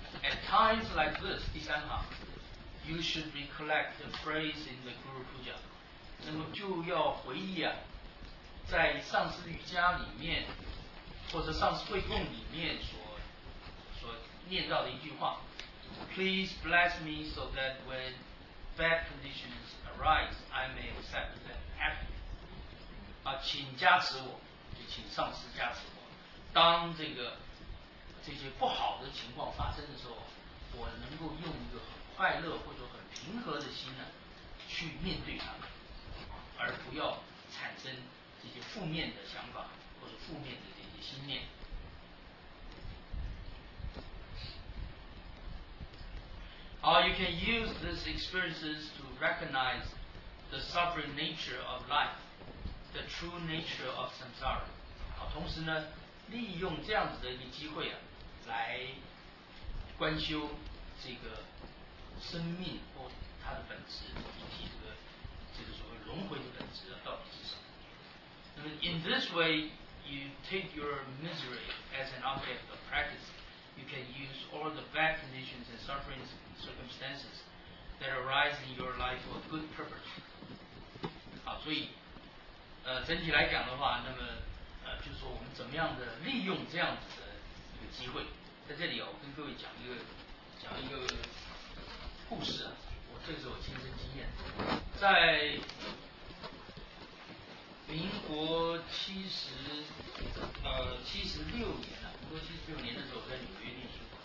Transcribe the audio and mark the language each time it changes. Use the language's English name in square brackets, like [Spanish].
[English] At times like this, [Chinese] 第三行 [English] you should recollect the phrase in the Guru Puja. [Chinese] 那么就要回忆啊，在上师瑜伽里面或者上师会供里面所念到的一句话。 [English] Please bless me so that when bad conditions arise, I may accept them happily. [Chinese] 啊，请加持我，就请上师加持我。当这些不好的情况发生的时候，我能够用一个很快乐或者很平和的心呢，去面对它们，而不要产生这些负面的想法或者负面的这些心念。 [English] Or you can use these experiences to recognize the suffering nature of life, the true nature of samsara. [Chinese] 好，同时呢，利用这样子的一个机会啊，来观修这个生命或它的本质，以及这个所谓轮回的本质啊，到底是什么？那么 ， [English] in this way, you take your misery as an object of practice. You can use all the bad conditions and sufferings and circumstances that arise in your life for good purpose. [Chinese] 好，所以整体来讲的话，那么就是说我们怎么样的利用这样子的一个机会。在这里我跟各位讲一个故事啊，这是我亲身经验。在民国76年啊，民国76年的时候，在纽约念书。